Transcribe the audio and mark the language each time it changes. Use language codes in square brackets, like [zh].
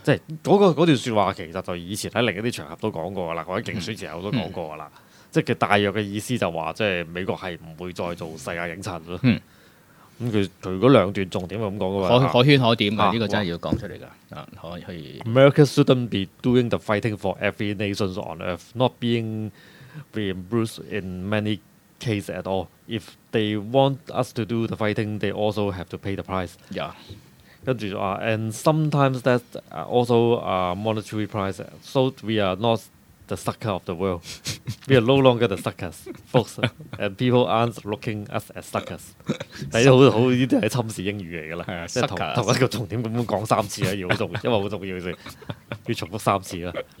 [yue] 即係嗰段説話其實就以前喺另一啲場合都講過啦，或者競選前後都講過啦。即係大約嘅意思就話，即係美國係唔會再做世界影塵咯。咁佢嗰兩段重點係咁講嘅喎。可圈可點嘅，呢個真係要講出嚟㗎。 [en] America shouldn't be doing the fighting for every nation on earth, not being reimbursed in many cases at all. If they want us to do the fighting, they also have to pay the price. Yeah. [yue] 跟住話， [en] and sometimes that's also a monetary price. So we are not the sucker of the world. We are no longer the suckers, folks. And people aren't looking us as suckers. [yue] 第一好呢啲係侵蝕英語嚟㗎啦，即係同一個重點咁樣講三次啦，要好重，因為好重要先，要重複三次啦。